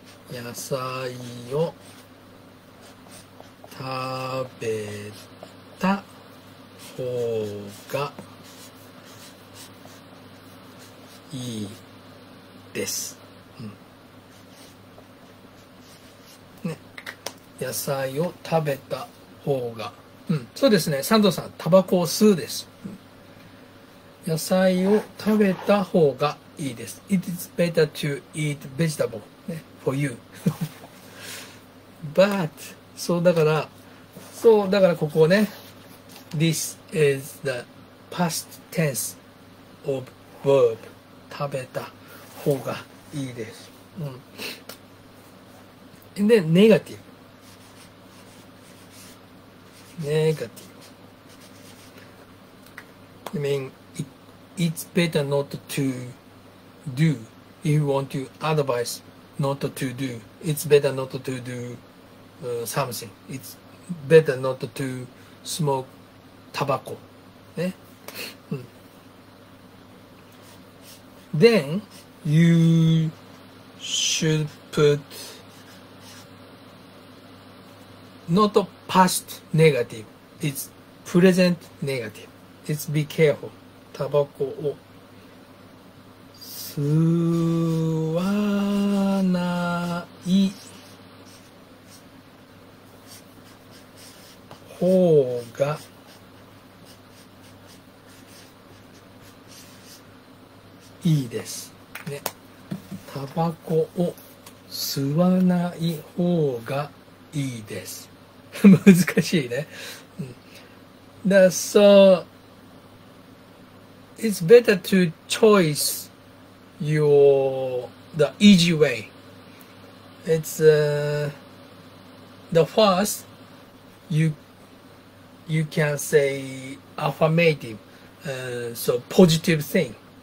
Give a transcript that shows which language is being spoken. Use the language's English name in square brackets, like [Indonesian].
[Japanese] うん、野菜を食べた方がいいです。野菜を食べた方が、うん、そうですね。サンドさん、タバコを吸うです。野菜を食べた方がいいです。 [English] It is better to eat vegetable、ね、for you. But [Japanese] そうだから、そうだからここね、 [English] This is the past tense of verb. [Japanese] 食べた方がいいです。うん。で、ネガティブ。 [English] Negative. I mean, it's better not to do. If you want to advise not to do, it's better not to do、something. It's better not to smoke tobacco.、ね、Then you should put not a past negative. It's present negative. It's be careful. [Japanese] タバコを吸わない方がいいです。ね。タバコを吸わない方がいいです。難しいね。 [English] So, it's better to choose the easy way. It's, the first, you can say affirmative, so positive thing.